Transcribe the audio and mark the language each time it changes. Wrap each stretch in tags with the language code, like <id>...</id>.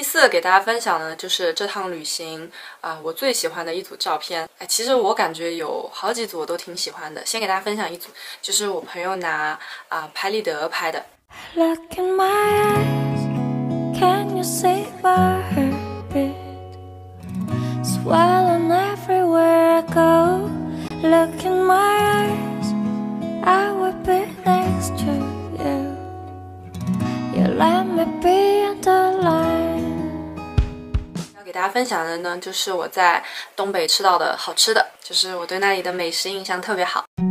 <zh>给大家分享的就是这趟旅行我最喜欢的一组照片。哎，其实我感觉有好几组我都挺喜欢的，先给大家分享一组，就是我朋友拿拍立得拍的。</zh> <en>Look in my eyes, can you see my heartbeat? Swallowing everywhere I go. Look in my eyes, I will be next to you. You let me be the light.</en> <zh>给大家分享的呢，就是我在东北吃到的好吃的，就是我对那里的美食印象特别好。</zh>